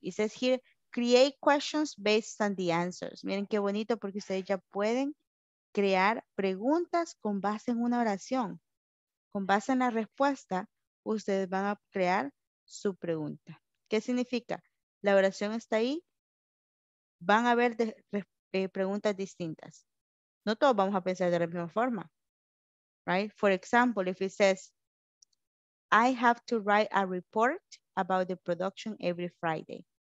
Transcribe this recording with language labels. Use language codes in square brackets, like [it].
[en] It says here, create questions based on the answers. [es] Miren qué bonito porque ustedes ya pueden crear preguntas con base en una oración. Con base en la respuesta, ustedes van a crear su pregunta. ¿Qué significa? La oración está ahí. Van a haber preguntas distintas. No todos vamos a pensar de la misma forma. [en] Right? For example, if it says, I have to write a report about the production every Friday.